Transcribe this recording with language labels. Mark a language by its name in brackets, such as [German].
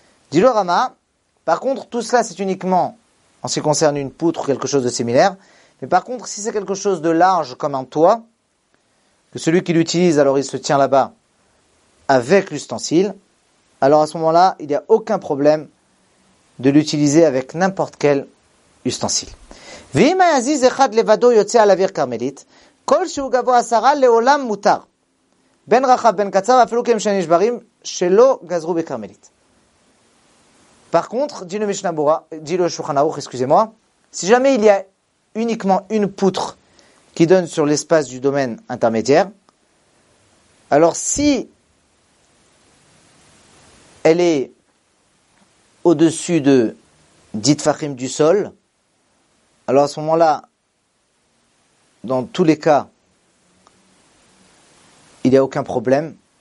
[French] Dit le Rama, par contre, tout cela c'est uniquement en ce qui concerne une poutre ou quelque chose de similaire, mais par contre, si c'est quelque chose de large comme un toit, que celui qui l'utilise, alors il se tient là-bas avec l'ustensile, alors à ce moment-là, il n'y a aucun problème de l'utiliser avec n'importe quel ustensile. [Hebrew] ואם היה זיז אחד לבדו יוצא על אוויר קרמלית, כלשהו גבוה עשרה לעולם מותר. בין רחב, בין קצר, אפילו כאם שנשברים שלא גזרו בקרמלית. [French] Par contre, dit le Mishnah Berurah, dit le Shulchan Aruch, excusez-moi, si jamais il y a uniquement une poutre qui donne sur l'espace du domaine intermédiaire, alors si elle est au-dessus de 10 tfachim du sol, alors à ce moment-là, dans tous les cas, il n'y a aucun problème.